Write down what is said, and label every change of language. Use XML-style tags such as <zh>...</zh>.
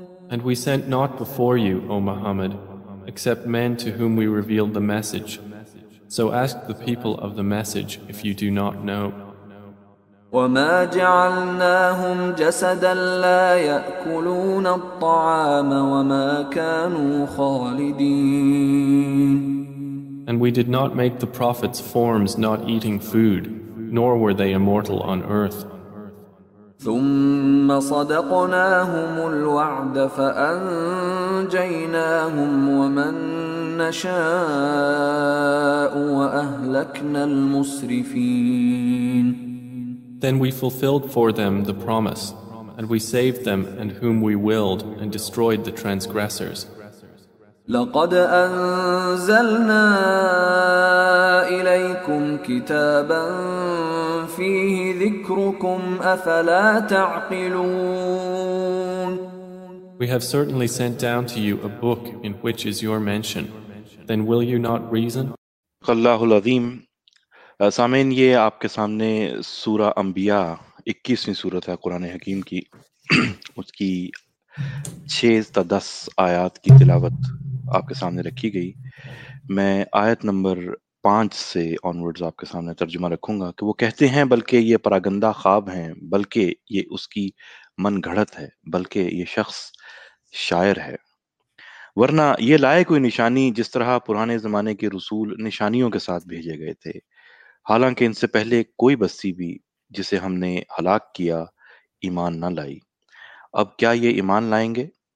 <en>And we sent not before you, O Muhammad, except men to whom we revealed the message. So ask the people of the message if you do not know.</en> <ar>وما جعلناهم جسدا لا يأكلون الطعام وما كانوا خالدين.</ar> <en>And we did not make the prophets forms not eating food, nor were they immortal on earth.</en> <ar>ثم صدقناهم الوعد فأنجيناهم ومن نشاء وأهلكنا المسرفين.</ar> <en>Then we fulfilled for them the promise, and we saved them and whom we willed, and destroyed the transgressors.</en> <ar>لَقَدْ أَنزَلْنَا إِلَيْكُمْ كِتَابًا فِيهِ ذِكْرُكُمْ أَفَلَا تَعْقِلُونَ.</ar> <en>We have certainly sent down to you a book in which is your mention. Then will you not reason?</en> <ar>اللَّهُ الْعَظِيمُ.</ar> <ur>سامعین, یہ آپ کے سامنے سورہ انبیاء 21ویں سورت ہے قرآن حکیم کی, اس کی 6-10 آیات کی تلاوت آپ کے سامنے رکھی گئی. میں آیت نمبر 5 سے آنورڈز آپ کے سامنے ترجمہ رکھوں گا کہ وہ کہتے ہیں بلکہ یہ پراگندہ خواب ہیں, بلکہ یہ اس کی من گھڑت ہے, بلکہ یہ شخص شاعر ہے, ورنہ یہ لائے کوئی نشانی جس طرح پرانے زمانے کے رسول نشانیوں کے ساتھ بھیجے گئے تھے, حالانکہ ان سے پہلے کوئی بستی بھی جسے ہم نے ہلاک کیا ایمان نہ لائی, اب کیا یہ ایمان لائیں گے؟</ur>